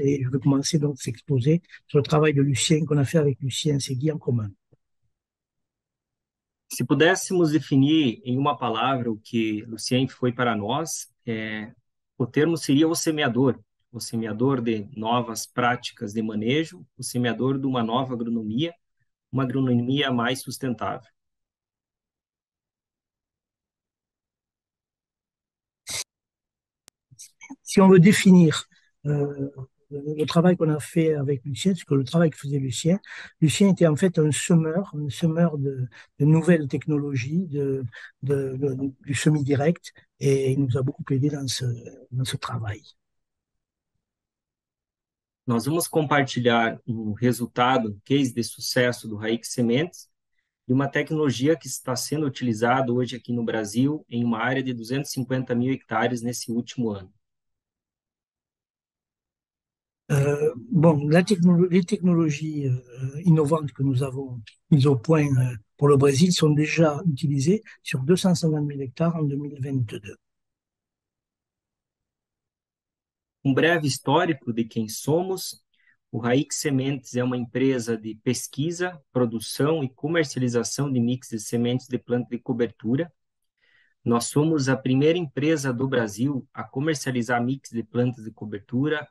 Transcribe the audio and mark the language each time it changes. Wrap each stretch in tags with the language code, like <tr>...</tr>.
<fr>Et je vais commencer donc à s'exposer sur le travail de Lucien qu'on a fait avec Lucien Segui en commun.</fr> <pt>Se pudéssemos definir em uma palavra o que Lucien foi para nós, o termo seria o semeador de novas práticas de manejo, o semeador de uma nova agronomia, uma agronomia mais sustentável.</pt> <fr>Si on veut définir le travail qu'on a fait avec Lucien, ce que le travail que faisait Lucien, Lucien était en fait un semeur de nouvelles technologies, du semis direct, et il nous a beaucoup aidé dans ce travail.</fr> <pt>Nós vamos compartilhar um resultado, um case de sucesso do Raix Sementes e uma tecnologia que está sendo utilizada hoje aqui no Brasil em uma área de 250 mil hectares nesse último ano.</pt> <fr>Bon, la technologie, les technologies innovantes que nous avons mises au point pour le Brésil sont déjà utilisées sur 250 000 hectares en 2022.</fr> <pt>Um breve histórico de quem somos. O Raix Sementes é uma empresa de pesquisa, produção e comercialização de mix de sementes de planta de cobertura. Nós somos a primeira empresa do Brasil a comercializar mix de plantas de cobertura.</pt>